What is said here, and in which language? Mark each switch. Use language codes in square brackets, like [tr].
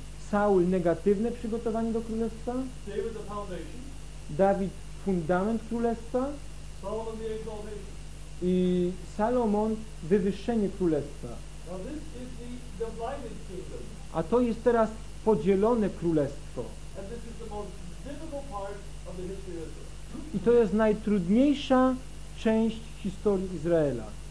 [pl] Saul, negatywne przygotowanie do królestwa. [en] David, the foundation. [pl] Dawid, fundament królestwa. [en] Solomon, the exaltation. [pl] I Salomon, wywyższenie królestwa. [en] Now this is the divided kingdom. [pl] A to jest teraz podzielone królestwo. [en] And this is the most difficult part of the history of Israel. [pl] I to jest najtrudniejsza część historii Izraela.